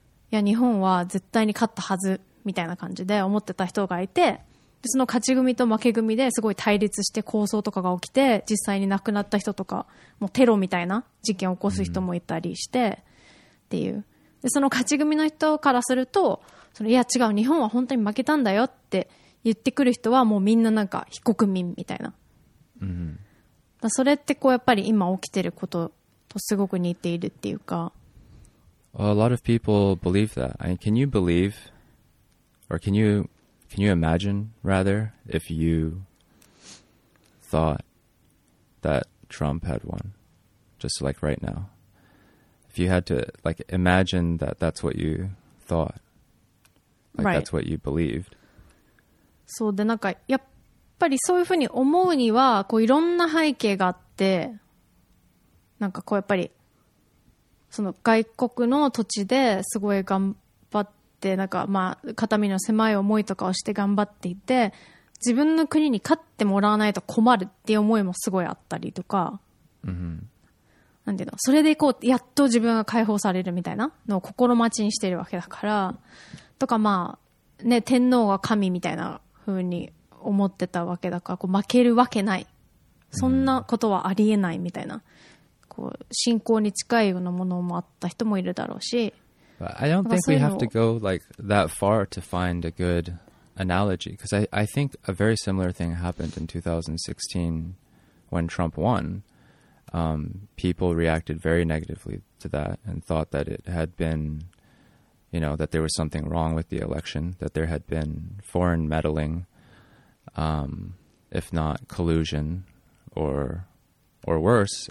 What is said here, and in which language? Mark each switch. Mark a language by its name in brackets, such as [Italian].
[Japanese] いや日本は絶対に勝ったはずみたいな感じで思ってた人がいて、その勝ち組と負け組ですごい対立して抗争とかが起きて、実際に亡くなった人とかもうテロみたいな事件を起こす人もいたりしてっていう、でその勝ち組の人からすると、そのいや違う、日本は本当に負けたんだよって言ってくる人はもうみんななんか非国民みたいな、うん、だそれってこうやっぱり今起きてることとすごく似ているっていうか。 [English] Well, a lot of people believe that. I mean, can you believe or can you imagine rather if you thought that Trump had won just like right now? If you had to like imagine that that's what you thought, like right, that's what you believed. [Japanese] そうで、なんかやっぱりそういうふうに思うにはこういろんな背景があって、なんかこうやっぱりその外国の土地ですごい頑張って、なんかまあ肩身の狭い思いとかをして頑張っていて、自分の国に勝ってもらわないと困るっていう思いもすごいあったりとか、なんていうの、それでこうやっと自分が解放されるみたいなのを心待ちにしているわけだから、とかまあね、天皇が神みたいな風に思ってたわけだから、こう負けるわけない、そんなことはありえないみたいな、こう信仰に近いようなものもあった人もいるだろうし。 [English] But I don't think we have to go like that far to find a good analogy, because I think a very similar thing happened in 2016 when Trump won. People reacted very negatively to that and thought that it had beenYou know, that there was something wrong with the election, that there had been foreign meddling, if not collusion or worse.